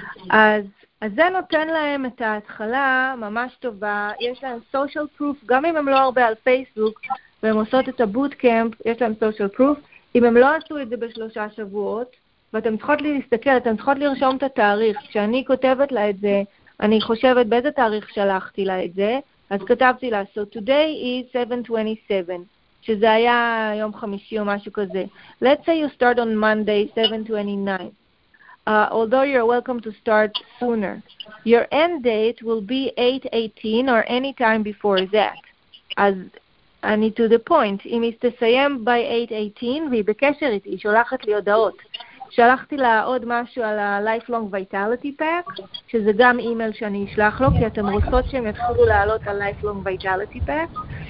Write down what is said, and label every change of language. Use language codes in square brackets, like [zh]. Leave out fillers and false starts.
[he] אז זה נותן להם את ההתחלה ממש טובה, יש להם social proof, גם אם הם לא הרבה על פייסבוק, והם עושות את הבוטקאמפ, יש להם social proof, אם הם לא עשו את זה בשלושה שבועות, ואתם צריכות להסתכל, אתם צריכות לרשום את התאריך, כשאני כותבת לה את זה, אני חושבת באיזה תאריך שלחתי לה את זה, אז כתבתי לה, so today is 7/27, שזה היה יום חמישי או משהו כזה, let's say you start on Monday 7/29, [en] although you're welcome to start sooner. Your end date will be 8:18 or any time before that. [he] אז אני to the point. אם היא תסיים by 8:18, והיא בקשר איתי, היא שולחת לי הודעות. שלחתי לה עוד משהו על ה-Lifelong Vitality Pack, שזה גם אימייל שאני אשלח לו, כי אתם רוצות שהם יתחילו לעלות על ה-Lifelong Vitality Pack.